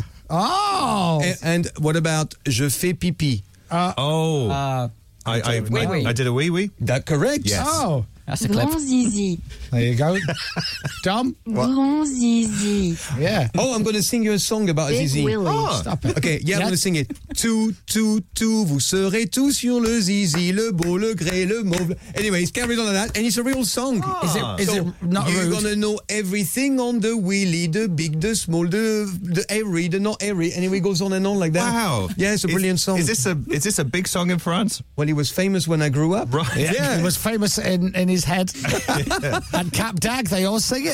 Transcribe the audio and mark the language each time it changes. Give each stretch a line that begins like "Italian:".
English: Oh! And what about
French: je fais pipi?
English: I did a wee-wee. That correct? Yes. Oh. That's a clip. Grand Zizi. There you go. Dom? Grand Zizi. Yeah. Oh, I'm going to sing you a song about Big Zizi. Willy. Oh. Stop it. Okay, yeah, I'm going to sing it.
French: Tout, tout, tout, vous serez tout sur le Zizi, le beau, le gris, le mauve.
English: Anyway, he's carried on like that, and it's a real song. Oh. Is it not you're You're going to know everything on the willy, the big, the small, the airy, the not airy. Anyway, it goes on and on like that. Wow. Yeah, it's a brilliant song. Is this a big song in France? Well, he was famous when I grew up. Right. Yeah. He was famous in his head. And Cap Dag, they all sing it.